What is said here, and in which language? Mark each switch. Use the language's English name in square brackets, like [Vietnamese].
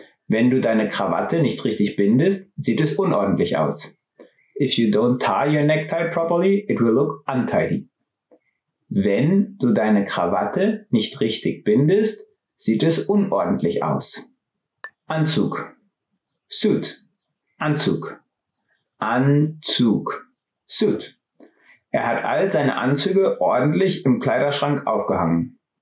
[German] Wenn du deine Krawatte nicht richtig bindest, sieht es unordentlich aus. [English] If you don't tie your necktie properly, it will look untidy. [German] Wenn du deine Krawatte nicht richtig bindest, sieht es unordentlich aus. Anzug. Suit. Anzug. Anzug. Suit. Er hat all seine Anzüge ordentlich im Kleiderschrank aufgehangen.